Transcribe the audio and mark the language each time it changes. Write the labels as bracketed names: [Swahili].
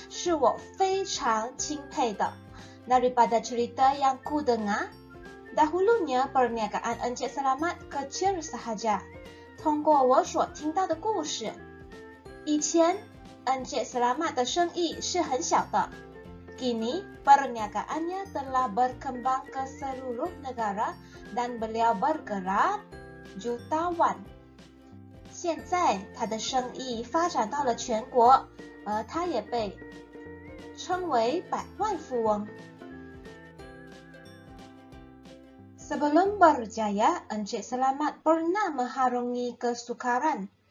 [Chinese] 他拥有的企业家特点是我非常钦佩的. [Malay] Daripada cerita yang ku dengar, dahulunya perniagaan Encik Selamat kecil sahaja. [Chinese] 通过我所听到的故事, 以前 Encik Selamat的生意是很小的. [Malay] Kini, perniagaannya telah berkembang ke seluruh negara dan beliau bergerak jutawan. [Chinese] 现在,他的生意发展到了全国, 而他也被称为百万富翁. [Malay] Sebelum berjaya, Encik Selamat pernah mengharungi kesukaran.